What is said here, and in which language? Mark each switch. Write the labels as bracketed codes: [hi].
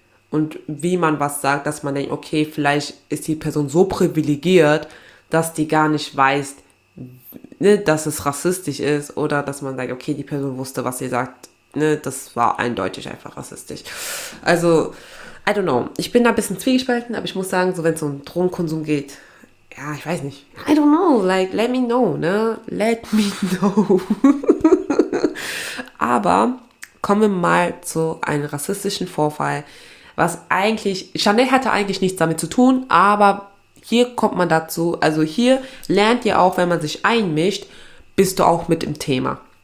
[de] Und wie man was sagt, dass man denkt, okay, vielleicht ist die Person so privilegiert, dass die gar nicht weiß, ne, dass es rassistisch ist oder dass man sagt, okay, die Person wusste, was sie sagt, ne, das war eindeutig einfach rassistisch. Also, [en] I don't know. [de] Ich bin da ein bisschen zwiegespalten, aber ich muss sagen, so wenn es um Drogenkonsum geht, ja, ich weiß nicht. [en] I don't know, like, let me know, ne? Let me know. [de] Aber kommen wir mal zu einem rassistischen Vorfall. Chanel hatte eigentlich nichts damit zu tun, aber hier kommt man dazu. Also hier lernt ihr auch, wenn man sich einmischt, bist du auch mit im Thema.